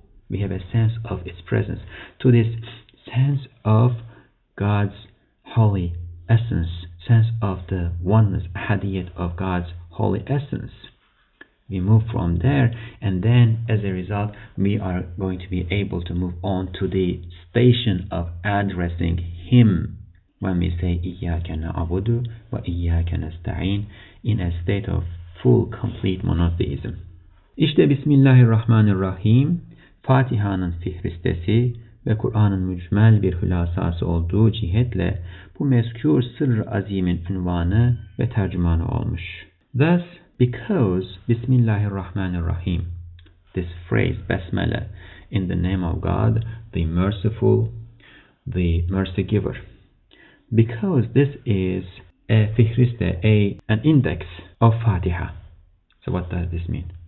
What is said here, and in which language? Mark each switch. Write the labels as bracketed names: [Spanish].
[English] We have a sense of its presence. To this sense of God's holy essence, sense of the oneness, ahadiyyat of God's holy essence, we move from there, and then as a result we are going to be able to move on to the station of addressing him when we say [Arabic] İyyâke na'budu ve İyyâke nesta'in, [English] in a state of full, complete monotheism. [Turkish] İşte Bismillahirrahmanirrahim, Fatiha'nın fihristesi ve Kur'an'ın mücmel bir hülasası olduğu cihetle bu mezkûr sırr-ı azîmin unvanı ve tercümanı olmuş. [English] Thus, because Bismillahirrahmanirrahim, this phrase, Besmele, in the name of God, the merciful, the mercy giver, because this is a fihriste, an index of Fatiha. So what does this mean?